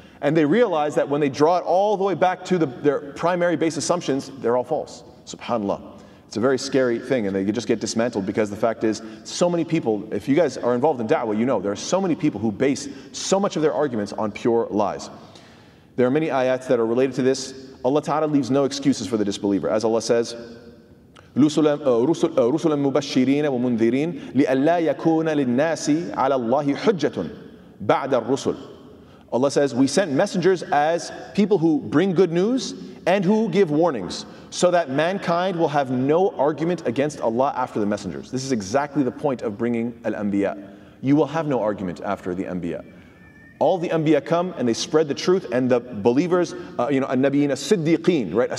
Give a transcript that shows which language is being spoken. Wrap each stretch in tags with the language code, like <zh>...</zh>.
<en>And they realize that when they draw it all the way back to their primary base assumptions, they're all false. SubhanAllah. It's a very scary thing, and they just get dismantled, because the fact is, so many people, if you guys are involved in da'wah, you know, there are so many people who base so much of their arguments on pure lies. There are many ayats that are related to this. Allah Ta'ala leaves no excuses for the disbeliever. As Allah says,</en> <ar>رُسُلًا مُبَشِّرِينَ وَمُنذِرِينَ لِأَلَّا يَكُونَ لِلنَّاسِ عَلَى اللَّهِ حُجَّةٌ بَعْدَ الرُّسُلِ.</ar> <en>Allah says, we sent messengers as people who bring good news and who give warnings, so that mankind will have no argument against Allah after the messengers. This is exactly the point of bringing al-anbiya. You will have no argument after the anbiya. All the anbiya come and they spread the truth, and the believers, an-nabiyyin as-siddiqeen, right?</en>